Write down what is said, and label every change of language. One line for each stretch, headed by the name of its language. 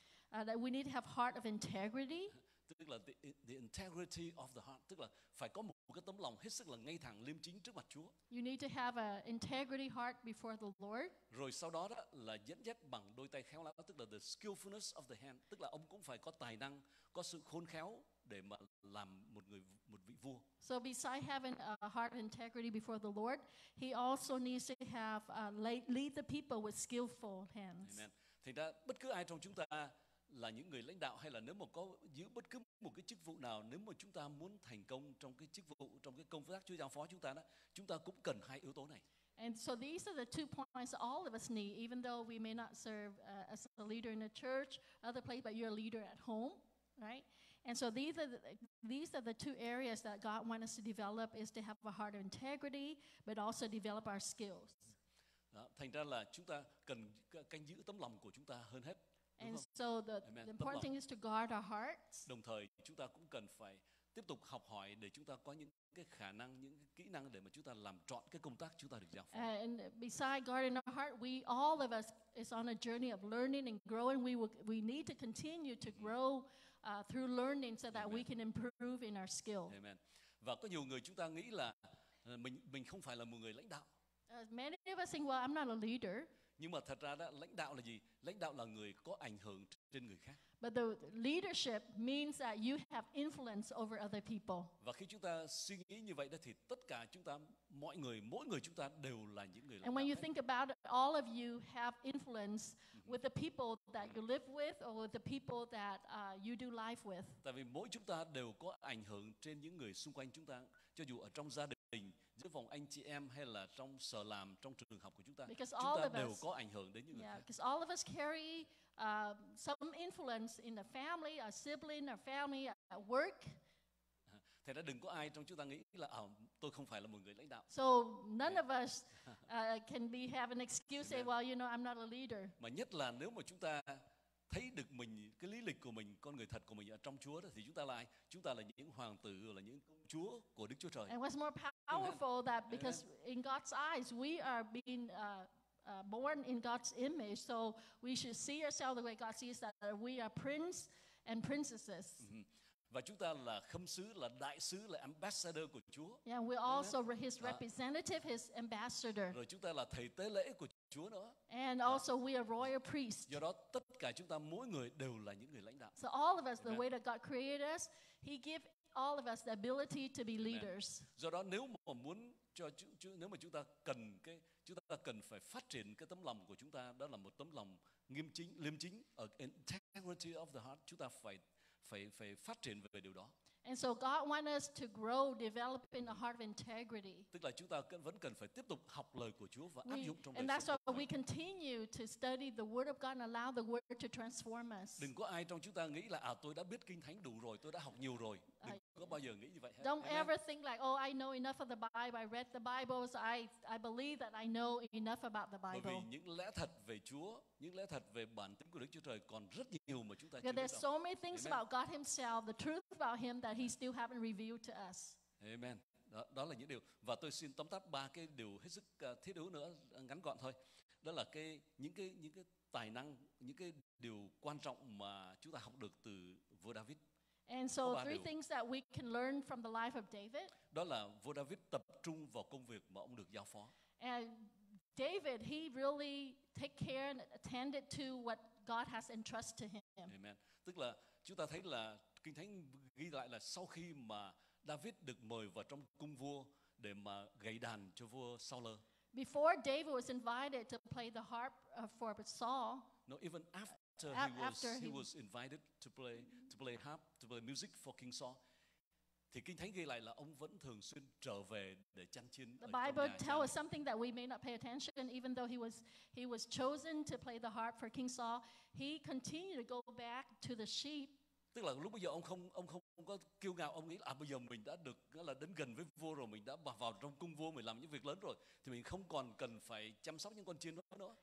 English: That we need to have heart of integrity.
Vietnamese: Tức là
English: the integrity of the heart,
Vietnamese: tức là phải có một cái tấm lòng hết sức là ngay thẳng liêm chính trước mặt Chúa.
English: You need to have an integrity heart before the Lord.
Vietnamese: Rồi sau đó là dẫn dắt bằng đôi tay khéo léo, tức là
English: the skillfulness of the hand,
Vietnamese: tức là ông cũng phải có tài năng, có sự khôn khéo để mà làm một người, một vị vua.
English: So besides having a heart of integrity before the Lord, he also needs to have lead the people with skillful hands. Amen.
Vietnamese: Thành ra bất cứ ai trong chúng ta là những người lãnh đạo, hay là nếu mà có giữ bất cứ một cái chức vụ nào, nếu mà chúng ta muốn thành công trong cái chức vụ, trong cái công tác Chúa giao phó chúng ta đó, chúng ta cũng cần hai yếu tố này.
English: And so these are the two points all of us need, even though we may not serve as a leader in a church, other place, but you're a leader at home, right? And so these are the two areas that God wants us to develop, is to have a heart of integrity, but also develop our skills.
Vietnamese: Đó, thành ra là chúng ta cần canh giữ tấm lòng của chúng ta hơn hết.
English: And so the important thing is to guard our hearts.
Vietnamese: Đồng thời chúng ta cũng cần phải tiếp tục học hỏi để chúng ta có những cái khả năng, những cái kỹ năng để mà chúng ta làm trọn cái công tác chúng ta được giao phó.
English: And besides guarding our heart, we all of us is on a journey of learning and growing. We need to continue to grow through learning so that we can improve in our skill. Amen.
Vietnamese: Và có nhiều người chúng ta nghĩ là mình không phải là một người lãnh đạo.
English: Many of us think, well, I'm not a leader.
Vietnamese: Nhưng mà thật ra đó, lãnh đạo là gì? Lãnh đạo là người có ảnh hưởng trên người khác.
English: But the leadership means that you have influence over other people.
Vietnamese: Và khi chúng ta suy nghĩ như vậy đó, thì tất cả chúng ta, mỗi người chúng ta đều là những người lãnh
English: đạo. And when you think about it, all of you have influence with the people that you live with or with the people that you do life with.
Vietnamese: Tại vì mỗi chúng ta đều có ảnh hưởng trên những người xung quanh chúng ta, cho dù ở trong gia đình, giữa vòng anh chị em, hay là trong sở làm, trong trường học của chúng ta, đều có ảnh hưởng đến những người khác.
English: Because all of us carry some influence in the family, our sibling, our family, at work.
Vietnamese: Thế đã đừng có ai trong chúng ta nghĩ là tôi không phải là một người lãnh đạo.
English: So none of us can be have an excuse say, well, you know, I'm not a leader.
Vietnamese: Mà nhất là nếu mà chúng ta thấy được mình, cái lý lịch của mình, con người thật của mình ở trong Chúa đó, thì chúng ta là ai? Chúng ta là những hoàng tử, là những công chúa của Đức Chúa Trời.
English: And what's more powerful that because in God's eyes we are being born in God's image, so we should see ourselves the way God sees, that we are prince and princesses.
Vietnamese: Và chúng ta là khâm sứ, là đại sứ, là ambassador của Chúa.
English: Yeah, we're also his representative, his ambassador.
Vietnamese: Rồi chúng ta là thầy tế lễ của Chúa nữa.
English: And also we are royal priests.
Vietnamese: Do đó tất cả chúng ta, mỗi người đều là những người lãnh đạo.
English: So all of us, the way that God created us, he gave all of us the ability to be leaders.
Vietnamese: Do đó nếu mà muốn cho nếu mà chúng ta cần cái, chúng ta cần phải phát triển cái tấm lòng của chúng ta, đó là một tấm lòng nghiêm chính, liêm chính,
English: integrity of the heart,
Vietnamese: chúng ta phải phát triển về điều đó.
English: And so God wants us to grow, develop in the heart of integrity.
Vietnamese: Tức là chúng ta vẫn cần phải tiếp tục học lời của Chúa và áp dụng trong đời sống.
English: And that's why we continue to study the word of God and allow the word to transform us.
Vietnamese: Đừng có ai trong chúng ta nghĩ là tôi đã biết kinh thánh đủ rồi, tôi đã học nhiều rồi. Đừng có bao giờ nghĩ như vậy hết.
English: Don't ever think like, oh, I know enough of the Bible, I read the Bible, so I believe that I know enough about the Bible.
Vietnamese: Bởi vì những lẽ thật về Chúa, những lẽ thật về bản tính của Đức Chúa Trời còn rất nhiều mà chúng ta chưa biết.
English: There's so many things about God himself, the truth about him that he still haven't revealed to us.
Vietnamese: Amen. Đó là những điều. Và tôi xin tóm tắt ba cái điều hết sức thiết yếu nữa, ngắn gọn thôi. Đó là những cái tài năng, những cái điều quan trọng mà chúng ta học được từ vua David.
English: And so three things that we can learn from the life of David.
Vietnamese: Đó là vua David tập trung vào công việc mà ông được giao phó.
English: And David, he really take care and attended to what God has entrusted to him. Amen.
Vietnamese: Tức là chúng ta thấy là Kinh Thánh ghi lại là sau khi mà David được mời vào trong cung vua để mà gảy đàn cho vua Saul.
English: Before David was invited to play the harp for Saul. No, even after he was invited to play harp, to play music for King Saul,
Vietnamese: Thì Kinh Thánh ghi lại là ông vẫn thường xuyên trở về để chăn chiên.
English: The Bible tells us something that we may not pay attention, even though he was chosen to play the harp for King Saul, he continued to go back to the sheep.
Vietnamese: Tức là lúc bây giờ ông không có kiêu ngạo, ông nghĩ là bây giờ mình đã được là đến gần với vua rồi, mình đã vào trong cung vua, mình làm những việc lớn rồi, thì mình không còn cần phải chăm sóc những con chiên đó nữa.